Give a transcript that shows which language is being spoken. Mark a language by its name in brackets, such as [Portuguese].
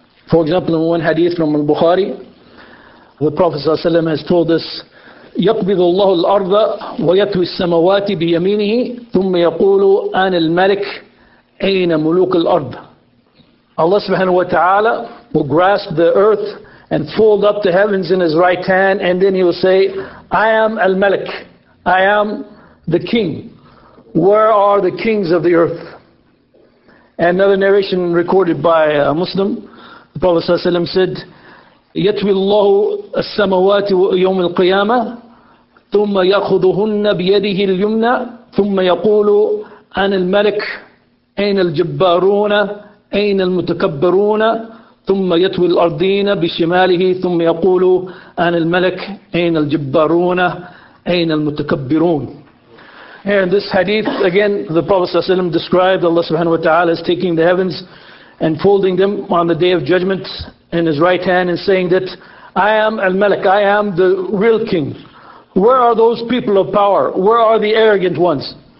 [English] For example, in one hadith from al-Bukhari, the Prophet sallallahu alaihi wasallam has told us, [Arabic] يقبض الله الأرض ويتوي السماوات بيمينه ثم يقول أنا الملك أين ملوك الأرض. [English] Allah subhanahu wa ta'ala will grasp the earth and fold up the heavens in His right hand, and then He will say, I am al-malik, I am the king. Where are the kings of the earth? And another narration recorded by a Muslim, the Prophet sallallahu alaihi wasallam said, [Arabic] يَتْوِي اللَّهُ السَّمَوَاتِ يَوْمِ الْقِيَامَةِ ثُمَّ يَأْخُذُهُنَّ بِيَدِهِ الْيُمْنَى ثُمَّ يَقُولُ أَنَا الْمَلِكُ أَيْنَ الْجَبَّارُونَ أَيْنَ الْمُتَكَبِّرُونَ ثُمَّ يَتْوِي الْأَرْضِينَ بِشِمَالِهِ ثُمَّ يَقُولُ أَنَا الْمَلِكُ أَيْنَ الْجَبَّارُونَ أَيْنَ الْمُتَكَبِّرُونَ. [English] Here in this hadith, again, the Prophet sallallahu alaihi wasallam described Allah subhanahu wa ta'ala as taking the heavens and folding them on the day of judgment in His right hand and saying that, I am al-Malik, I am the real king. Where are those people of power? Where are the arrogant ones?